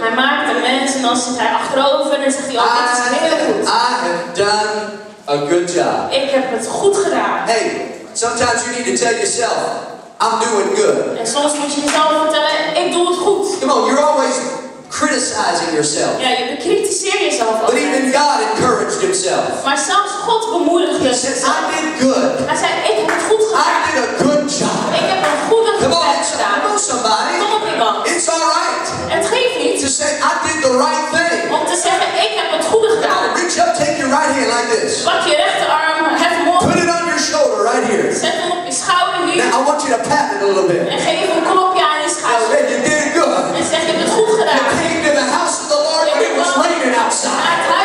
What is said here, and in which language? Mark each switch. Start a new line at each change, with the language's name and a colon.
Dutch: Hij maakt de mens en dan zit hij achterover en dan zegt hij, oh, dit is heel goed.
English: I have done a good job.
Dutch: Ik heb het goed gedaan.
English: Hey, sometimes you need to tell yourself, I'm doing good.
Dutch: En soms moet je jezelf vertellen, ik doe het goed.
English: Come on, you're always criticizing yourself.
Dutch: Ja, je bekritiseert jezelf altijd.
English: But even God encouraged himself.
Dutch: Maar zelfs God bemoedigde zichzelf.
English: He said, I did good.
Dutch: Hij zei, ik heb het goed gedaan.
English: I did a good job.
Dutch: Ik heb een goede gedaan.
English: Come on, somebody.
Dutch: Kom op, iemand.
English: It's all right.
Dutch: Het geeft niet.
English: To say, I did the right thing.
Dutch: Om te zeggen, ik heb het goede gedaan.
English: Come on, reach up, take your right hand like this.
Dutch: Pak je rechterarm, hef hem op.
English: Put it on your shoulder right here.
Dutch: Zet hem op je schouder hier.
English: Now, I want you to pat it a little bit.
Dutch: En geef hem een klopje aan je schouder.
English: Now, you did good.
Dutch: En zeg, je hebt het goed gedaan.
English: You came to the house of the Lord when it was raining outside.